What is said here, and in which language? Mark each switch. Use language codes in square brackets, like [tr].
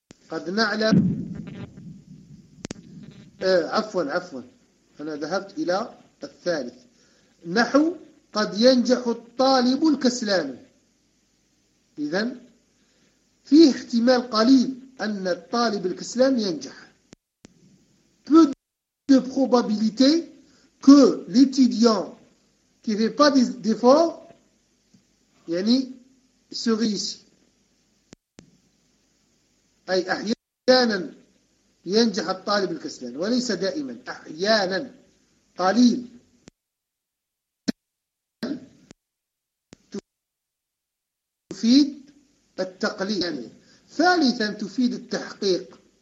[ar] قد نعلم عفوا أنا ذهبت إلى الثالث. نحو قد ينجح الطالب الكسلان. إذن فيه احتمال قليل أن الطالب الكسلان ينجح. [fr] Peu de probabilité que l'étudiant qui fait pas d'effort يعني se réussisse. [ar] أي أحيانا ينجح الطالب الكسلان، وليس دائما، أحيانا قليل. تفيد التقليل. يعني ثالثا تفيد التحقيق.